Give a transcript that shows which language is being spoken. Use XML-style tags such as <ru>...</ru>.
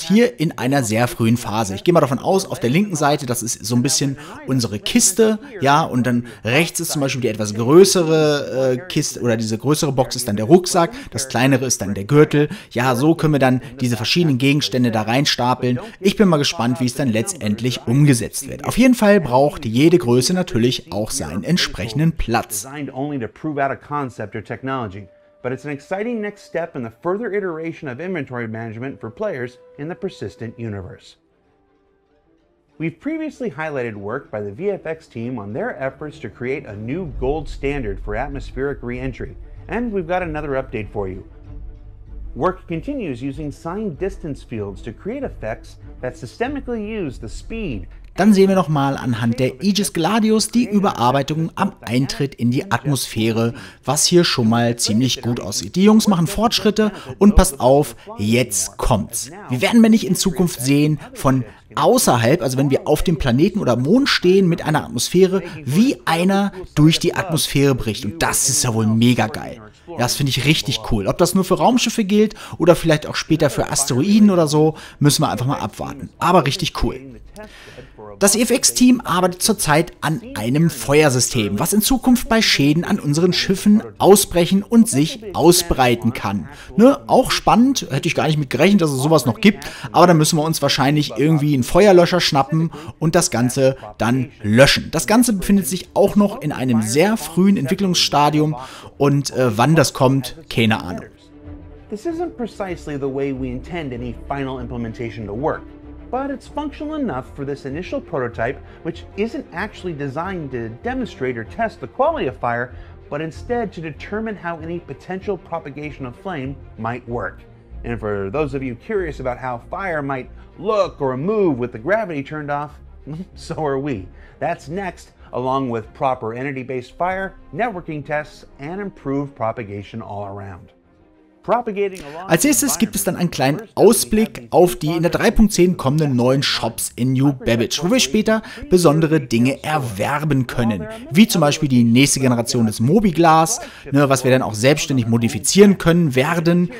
<de>Hier in einer sehr frühen Phase. Ich gehe mal davon aus, auf der linken Seite, das ist so ein bisschen unsere Kiste, ja, und dann rechts ist zum Beispiel die etwas größere Kiste oder diese größere Box ist dann der Rucksack, das kleinere ist dann der Gürtel. Ja, so können wir dann diese verschiedenen Gegenstände da reinstapeln. Ich bin mal gespannt, wie es dann letztendlich umgesetzt wird. Auf jeden Fall braucht jede Größe natürlich auch seinen entsprechenden Platz.</de> <en>Designed only to prove out a concept or technology, but it's an exciting next step in the further iteration of inventory management for players in the Persistent universe. We've previously highlighted work by the VFX team on their efforts to create a new gold standard for atmospheric re-entry, and we've got another update for you. Work continues using signed distance fields to create effects that systemically use the speed.</en> <de>Dann sehen wir nochmal anhand der Aegis Gladius die Überarbeitung am Eintritt in die Atmosphäre, was hier schon mal ziemlich gut aussieht. Die Jungs machen Fortschritte und passt auf, jetzt kommt's. Wir werden wir nicht in Zukunft sehen von außerhalb, also wenn wir auf dem Planeten oder Mond stehen mit einer Atmosphäre, wie einer durch die Atmosphäre bricht. Und das ist ja wohl mega geil. Das finde ich richtig cool. Ob das nur für Raumschiffe gilt oder vielleicht auch später für Asteroiden oder so, müssen wir einfach mal abwarten. Aber richtig cool. Das EFX-Team arbeitet zurzeit an einem Feuersystem, was in Zukunft bei Schäden an unseren Schiffen ausbrechen und sich ausbreiten kann. Ne, auch spannend, hätte ich gar nicht mit gerechnet, dass es sowas noch gibt, aber dann müssen wir uns wahrscheinlich irgendwie einen Feuerlöscher schnappen und das Ganze dann löschen. Das Ganze befindet sich auch noch in einem sehr frühen Entwicklungsstadium und wann das kommt, keine Ahnung.</de> <en>This isn't precisely the way we intend any final implementation to work. But it's functional enough for this initial prototype, which isn't actually designed to demonstrate or test the quality of fire, but instead to determine how any potential propagation of flame might work. And for those of you curious about how fire might look or move with the gravity turned off, so are we. That's next, along with proper entity-based fire, networking tests, and improved propagation all around.</en> <de>Als nächstes gibt es dann einen kleinen Ausblick auf die in der 3.10 kommenden neuen Shops in New Babbage, wo wir später besondere Dinge erwerben können, wie zum Beispiel die nächste Generation des Mobiglas, ne, was wir dann auch selbstständig modifizieren können werden.</de>